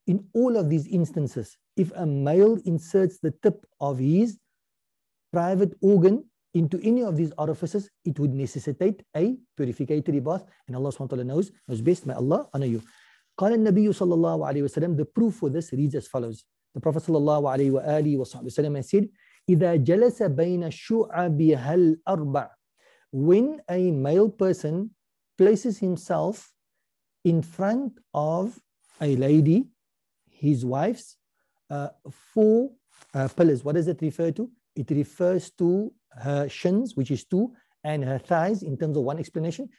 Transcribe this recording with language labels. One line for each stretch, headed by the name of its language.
English: In all of these instances, if a male inserts the tip of his private organ into any of these orifices, it would necessitate a purificatory bath. And Allah subhanahu wa ta'ala knows best, may Allah honor you.
Arabic: قَالَ النَّبِيُّ صَلَّى اللَّهُ عَلَيْهِ وَسَلَّمَ.
English: The proof for this reads as follows. The Prophet
Arabic: صلى الله عليه وآله وسلم
English: said,
Arabic: إِذَا جَلَسَ بَيْنَ شُعَبِهَا الْأَرْبَعِ.
English: When a male person places himself in front of a lady, his wife's four pillars, what does it refer to? It refers to her shins, which is two, and her thighs in terms of one explanation.